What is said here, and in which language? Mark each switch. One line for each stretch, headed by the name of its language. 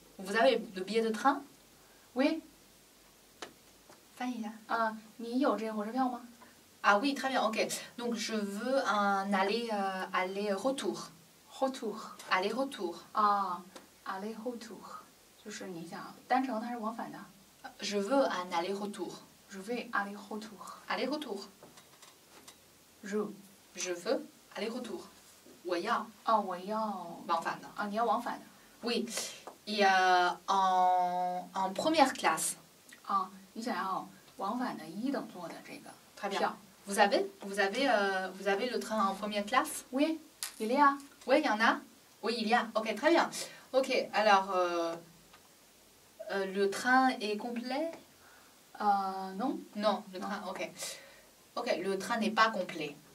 French: Vous avez le billet de train? Oui.
Chinese: 翻译一下。你有这个火车票吗？
French: Ah oui, très bien. OK. Donc je veux un aller-retour. Retour. Aller-retour. Ah, aller-retour.
Chinese: 就是你想单程，它是往返的。
French: Je veux un aller-retour. Je vais aller retour. Aller retour. Je veux aller retour.
Chinese: 我要。啊、哦，我要。往返的。啊，你要往返的。
French: Oui. Et en première classe.
Chinese: 啊，你想要往返的一等座的这个票。
French: Très bien. Vous avez le train en première classe? Oui. Il y a. Oui, il y en a. Oui, il y a. OK, très bien. OK, alors, le train est complet? Non. Non, le train, non. OK. OK, le train n'est pas complet.